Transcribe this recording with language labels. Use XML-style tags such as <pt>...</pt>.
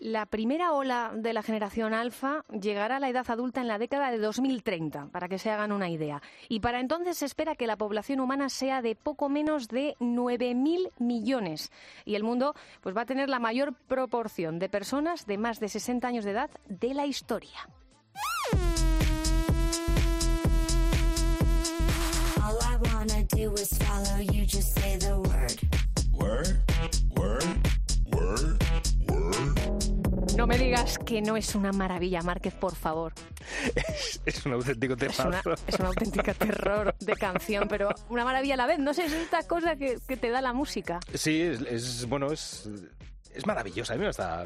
<es>La primera ola de la generación alfa llegará a la edad adulta en la década de 2030, para que se hagan una idea. Y para entonces se espera que la población humana sea de poco menos de 9.000 millones. Y el mundo pues va a tener la mayor proporción de personas de más de 60 años de edad de la historia.</es> <en>All I wanna do is follow you, just say the word. Word, word, word, word.</en> <es>No me digas que no es una maravilla, Márquez, por favor. Es un auténtico temazo. Es una auténtica terror de canción, pero una maravilla a la vez. No sé, es esta cosa que te da la música. Sí, es maravillosa. A mí me está</es>